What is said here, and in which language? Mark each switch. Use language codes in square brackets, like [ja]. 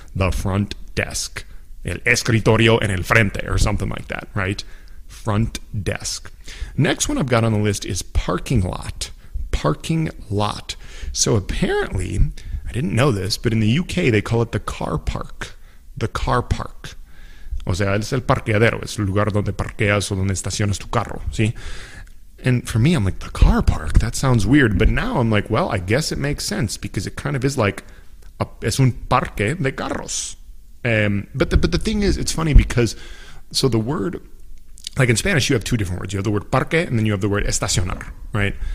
[en] The front desk. El escritorio en el frente or something like that, right? Front desk. Next one I've got on the list is parking lot. Parking lot. So apparently, I didn't know this, but in the UK they call it the car park. [es] The car park. O sea, es el parqueadero. Es el lugar donde parqueas o donde estacionas tu carro. ¿Sí? [en] And for me, I'm like, the car park? That sounds weird. But now I'm like, well, I guess it makes sense because it kind of is like, es un parque de carros. But the thing is, it's funny because, so the word, like in Spanish, you have two different words. You have the word parque and then you have the word estacionar, right?